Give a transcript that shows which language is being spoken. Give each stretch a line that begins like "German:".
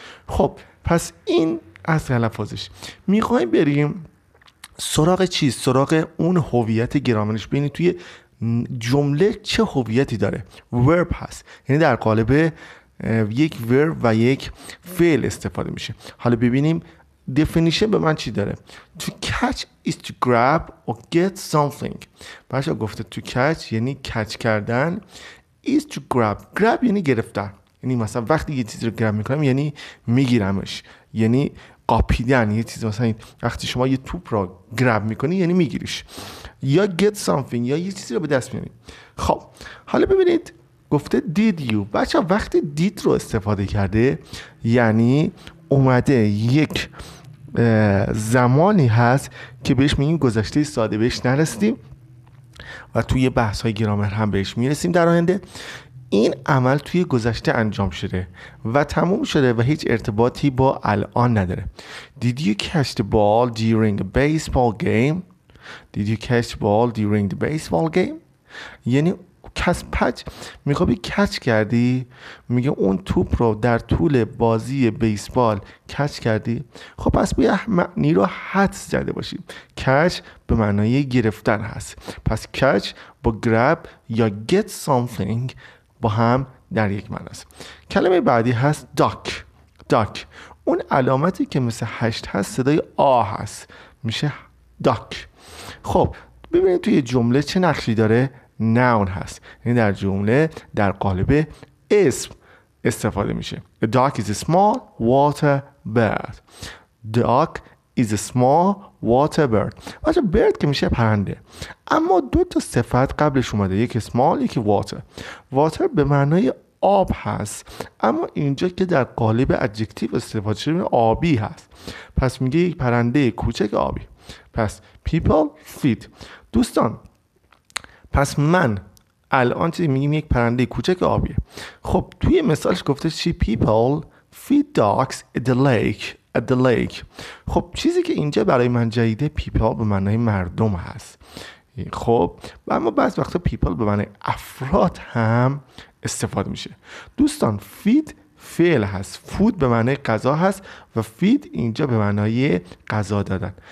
Persian: خب پس این از تلفظش. میخوایم بریم سراغ چی؟ سراغ اون هویت گرامرش. ببینید توی جمله چه هویتی داره. ورب هست، یعنی در قالب یک ورب و یک فعل استفاده میشه. حالا ببینیم دفینیشن به من چی داره.
English: To catch is to grab or get something.
Persian: باشه، گفته
English: to catch یعنی catch کردن، is to grab، grab
Persian: یعنی گرفتن. یعنی مثلا وقتی یه چیز رو grab میکنم یعنی میگیرمش، یعنی قاپیدن. یه چیز مثلا وقتی شما یه توپ را گراب میکنی یعنی میگیریش، یا
English: get something
Persian: یا یه چیزی رو به دست میاری. خب حالا ببینید گفته
English: did you.
Persian: بچه وقتی did رو استفاده کرده یعنی اومده یک زمانی هست که بهش میگیم گذشته ساده، بهش نرسیدیم و توی بحث های گرامر هم بهش میرسیم در آینده. این عمل توی گذشته انجام شده و تموم شده و هیچ ارتباطی با الان نداره.
English: Did you catch the ball during a baseball game? Did you catch the ball during the baseball game?
Persian: یعنی کس پچ میخوابی کچ کردی؟ میگه اون توپ رو در طول بازی بیسبال کچ کردی؟ خب پس باید معنی رو حدس زده باشیم. کچ به معنای گرفتن هست. پس کچ با grab یا
English: get something
Persian: با هم در یک معنی است. کلمه بعدی هست duck. duck اون علامتی که مثل هشت هست صدای آ هست، میشه duck. خب ببینید توی جمله چه نقشی داره. noun هست، یعنی در جمله در قالب اسم استفاده میشه.
English: a duck is a small water bird. duck is a small water bird.
Persian: واژه bird که میشه پرنده، اما دو تا صفت قبلش اومده، یک small یک water. water به معنای آب هست، اما اینجا که در قالب adjective استفاده شده آبی هست، پس میگه یک پرنده کوچک آبی.
English: پس people feed.
Persian: دوستان پس من الان چی میگیم؟ یک پرنده کوچک آبیه. خب توی مثالش گفته چی؟
English: people feed dogs at the lake. At the lake.
Persian: خب چیزی که اینجا برای من جدیده، people به معنای مردم هست. خب و اما بعض وقتا people به معنای افراد هم استفاده میشه. دوستان feed فعل هست، food به معنای غذا هست و feed اینجا به معنای غذا دادن.